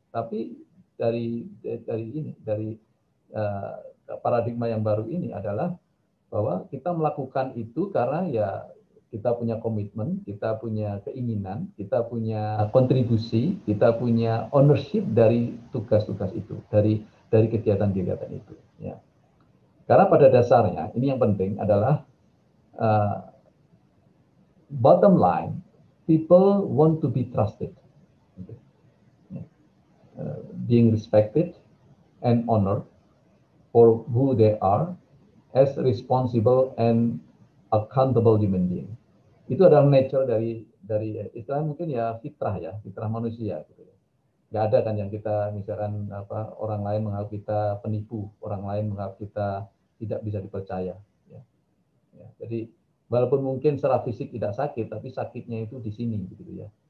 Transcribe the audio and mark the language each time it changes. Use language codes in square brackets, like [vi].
[id] Tapi dari paradigma yang baru ini adalah bahwa kita melakukan itu karena ya kita punya komitmen, kita punya keinginan, kita punya kontribusi, kita punya ownership dari tugas-tugas itu, dari kegiatan-kegiatan itu. Ya. Karena pada dasarnya, ini yang penting adalah [en] bottom line, people want to be trusted, okay. Being respected and honored for who they are as responsible and accountable human beings. [id] Itu adalah nature dari istilah mungkin ya fitrah ya, fitrah manusia gitu ya. Enggak ada kan yang kita misalkan apa orang lain menganggap kita penipu, orang lain menganggap kita tidak bisa dipercaya ya. Ya. Jadi walaupun mungkin secara fisik tidak sakit tapi sakitnya itu di sini gitu ya.